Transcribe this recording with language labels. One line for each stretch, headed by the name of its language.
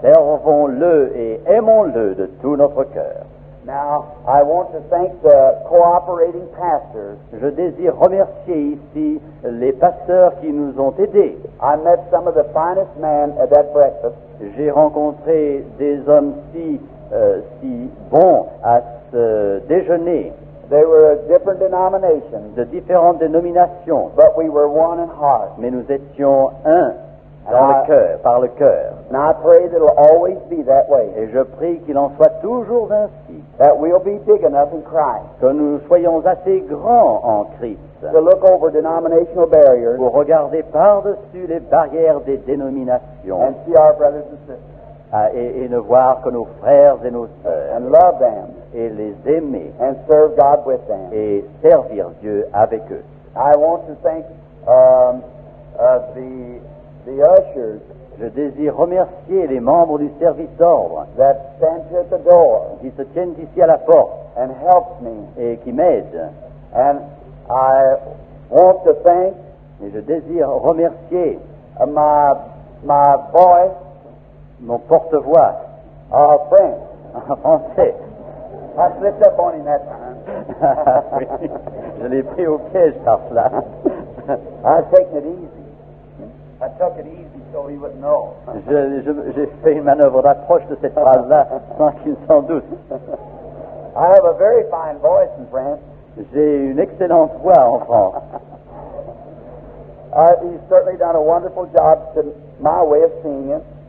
French: Servons-le et aimons-le de tout notre cœur.
English: Now, I want to thank the cooperating pastors.
French: Je désire remercier ici les pasteurs qui nous ont aidés.
English: I met some of the finest men at that breakfast.
French: J'ai rencontré des hommes si bons à ce déjeuner.
English: They were a different denomination.
French: De différentes dénominations.
English: But we were one in heart.
French: Mais nous étions un par le cœur.
English: And I pray that it will always be that way.
French: Et je prie qu'il en soit toujours ainsi.
English: That we'll be big enough in Christ.
French: Que nous soyons assez grands en Christ.
English: To look over denominational barriers.
French: Pour regarder par-dessus les barrières des dénominations.
English: And see our brothers and sisters.
French: Et ne voir que nos frères et nos sœurs.
English: And love them.
French: Et les aimer.
English: And serve God with them.
French: Et servir Dieu avec eux.
English: I want to thank the ushers.
French: Je désire remercier les membres du service d'ordre.
English: That stand at the door.
French: Qui se tiennent ici à la porte.
English: And help me.
French: Et qui m'aident.
English: And I want to thank.
French: Je désire remercier
English: my voice,
French: mon porte-voix,
English: our friend,
French: français.
English: I slipped up on him that time.
French: Je l'ai pris au piège par cela.
English: I took it easy. I took it easy so he wouldn't know.
French: J'ai fait une manœuvre d'approche de cette phrase-là sans qu'il s'en doute.
English: I have a very fine voice in France.
French: J'ai une excellente voix en France.
English: He's certainly done a wonderful job to my way of seeing him.